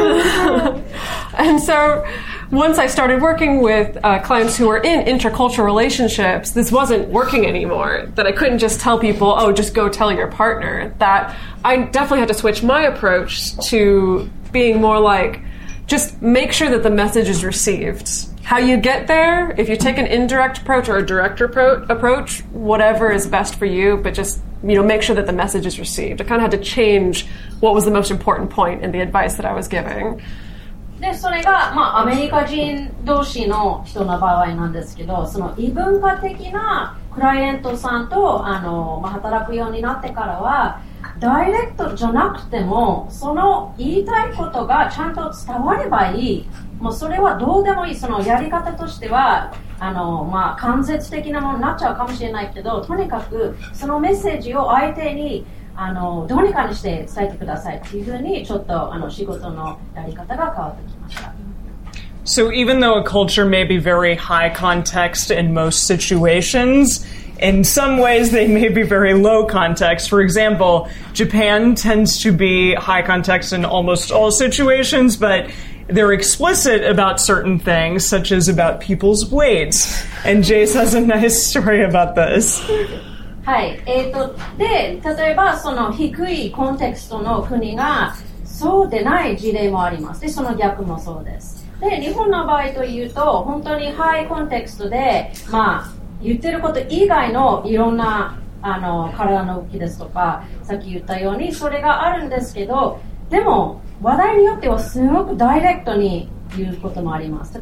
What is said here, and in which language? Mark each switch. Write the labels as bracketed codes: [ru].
[en] And so once I started working with clients who were in intercultural relationships, this wasn't working anymore, that I couldn't just tell people, oh, just go tell your partner, that I definitely had to switch my approach to being more like, just make sure that the message is received. How you get there, if you take an indirect approach or a direct approach, whatever is best for you, but just, you know, make sure that the message is received. I kind of had to change what was the most important point in the advice that I was giving. [ja] で、それが、まあ、アメリカ人同士の人の場合なんですけど、その異文化的なクライアントさんと、まあ、働くようになってからは、ダイレクトじゃなくても、その言いたいことがちゃんと伝わればいい。もうそれはどうでもいい。そのやり方としては、まあ、間接的なものになっちゃうかもしれないけど、とにかく、そのメッセージを相手に、どうにかにして伝えてくださいっていうふうにちょっと仕事のやり方が変わってきました。 [en] So even though a culture may be very high context in most situations, in some ways they may be very low context. For example, Japan tends to be high context in almost all situations, but they're explicit about certain things, such as about people's weights. And Jace has a nice story about this. [ja] はい、で、例えばその低いコンテクストの国がそうでない事例もあります。で、その逆もそうです。で、日本の場合というと本当にハイコンテクストで、まあ、言ってること以外のいろんな体の動きですとか、さっき言ったようにそれがあるんですけど、でも話題によってはすごくダイレクトに言うこともあります。